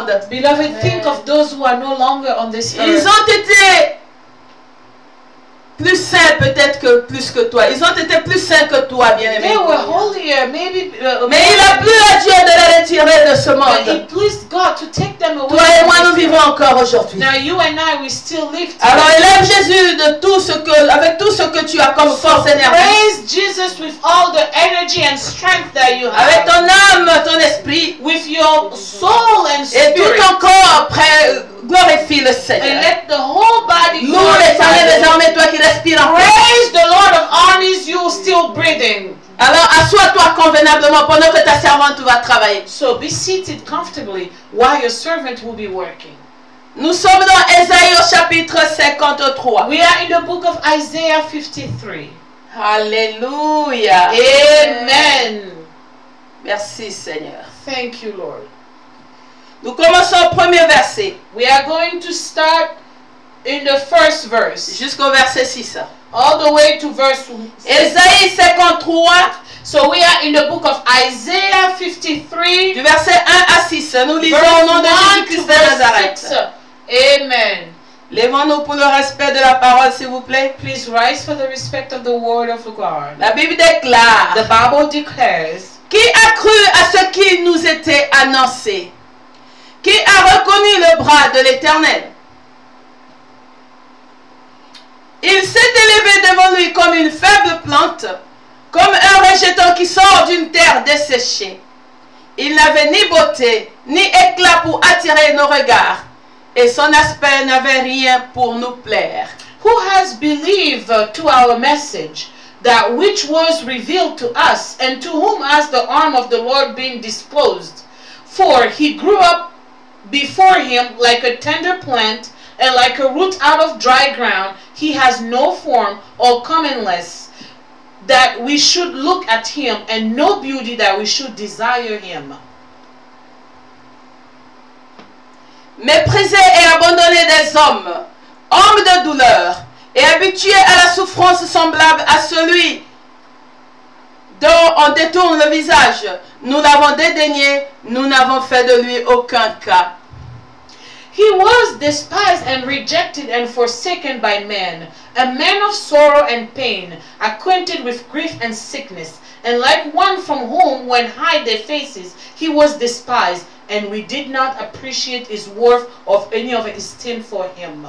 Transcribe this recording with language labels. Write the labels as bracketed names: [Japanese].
[English] Beloved, think of those who are no longer on this earth. [French] Ils ont été plus saints peut-être que plus que toi. Ils ont été plus saints que toi, bien-aimé. [English] They were holier, maybe. [French] Mais il a plu à Dieu de les retirer de ce monde. [English] But it pleased God to take them away. [French] Toi et moi, nous vivons encore aujourd'hui. [English] Now you and I, we still live today. [French] Alors élève Jésus de tout ce que, avec tout ce que tu as comme force et énergie. [English] Praise Jesus with all the energy and strength that you have. [French] Avec ton âme, ton esprit. [English] With your soul and spirit. [French] Et tout ton corps après. Glorifie le Seigneur. [English] And let the whole body glorify. [French] Loue l'Éternel des armées, toi qui respires en toi. [English] Praise the Lord of armies, you still breathing. [French] Alors assois-toi convenablement pendant que ta servante va travailler. [English] So be seated comfortably while your servant will be working. [French] Nous sommes dans Ésaïe au chapitre 53. [English] We are in the book of Isaiah 53. [French] Alléluia. [English] Amen. [French] Merci Seigneur. [English] Thank you Lord. [French] Nous commençons au premier verset. [English] We are going to start in the first verse. [French] Jusqu'au verset 6. [English] All the way to verse 6. [French] Ésaïe 53. [English] So we are in the book of Isaiah 53. [French] Du verset 1 à 6. Nous lisons au nom de Jésus-Christ de Nazareth. Amen. Lèvons-nous pour le respect de la parole, s'il vous plaît. [English] Please rise for the respect of the word of God. [French] La Bible déclare. [English] The Bible declares. [French] Qui a cru à ce qui nous était annoncé? Qui a reconnu le bras de l'Éternel? Il s'est élevé devant lui comme une faible plante, comme un rejeton qui sort d'une terre desséchée. Il n'avait ni beauté, ni éclat pour attirer nos regards, et son aspect n'avait rien pour nous plaire. [English] Who has believed to our message, that which was revealed to us, and to whom has the arm of the Lord been disposed? For he grew up before him like a tender plant and like a root out of dry ground, he has no form or comeliness that we should look at him, and no beauty that we should desire him. [French] Méprisé et abandonné des hommes, homme de douleur et habitué à la souffrance semblable à celui dont on détourne le visage, nous l'avons dédaigné, nous n'avons fait de lui aucun cas. [English] He was despised and rejected and forsaken by men, a man of sorrow and pain, acquainted with grief and sickness, and like one from whom men hide their faces, he was despised, and we did not appreciate his worth of any of esteem for him.